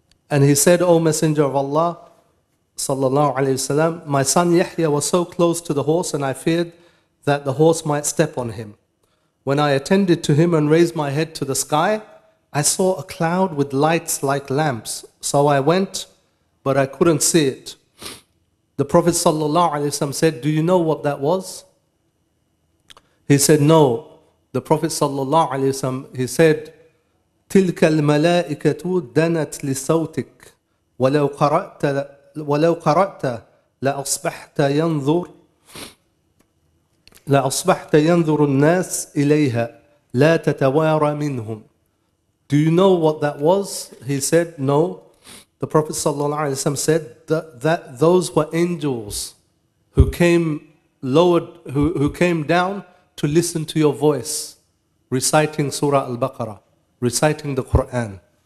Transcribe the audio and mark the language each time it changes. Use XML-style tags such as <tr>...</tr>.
<en>And he said, O Messenger of Allah, sallallahu alayhi wasallam, my son Yahya was so close to the horse and I feared that the horse might step on him. When I attended to him and raised my head to the sky, I saw a cloud with lights like lamps. So I went, but I couldn't see it. The Prophet sallallahu alayhi wasallam said, do you know what that was? He said, no. The Prophet sallallahu alayhi wasallam, he said,</en> <ar>تلك الملائكة دنت لصوتك ولو قرأت لأصبحت ينظر لأصبحت ينظر الناس إليها لا تتوارى منهم.</ar> <en>Do you know what that was? He said, no. The Prophet ﷺ said that those were angels who came down to listen to your voice reciting Surah Al-Baqarah, reciting the Quran.</en>